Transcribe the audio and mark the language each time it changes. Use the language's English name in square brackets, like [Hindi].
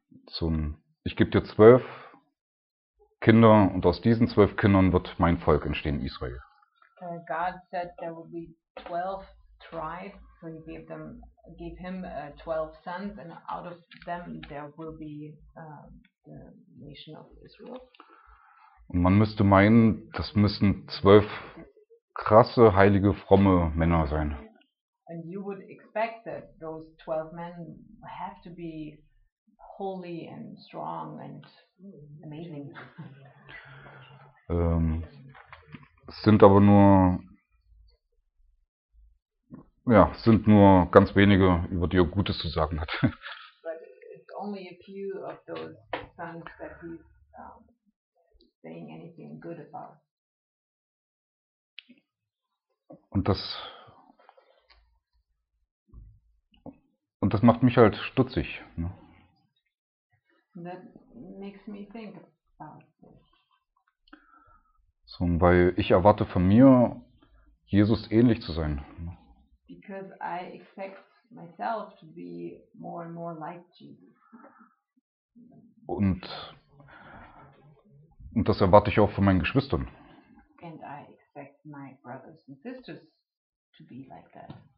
[German] So, ich gebe dir 12 Kinder und aus diesen 12 Kindern wird mein Volk entstehen, Israel. [English] God said there will be 12 tribe, so he gave him 12 sons, and out of them there will be the nation of Israel. [German] Und man müsste meinen, das müssen 12 krasse, heilige, fromme Männer sein. [English] And you would expect that those 12 men have to be holy and strong and amazing. [German] sind aber nur, ja, sind nur ganz wenige, über die er Gutes zu sagen hat. [English] But it's only a few of those sons that he's saying anything good about. [German] Und das macht mich halt stutzig, ne? [English] That makes me think about this. [German] So, weil ich erwarte von mir, Jesus ähnlich zu sein. [English] Because I expect myself to be more and more like Jesus. [German] Und das erwarte ich auch von meinen Geschwistern. [English] And I expect my brothers and sisters to be like that.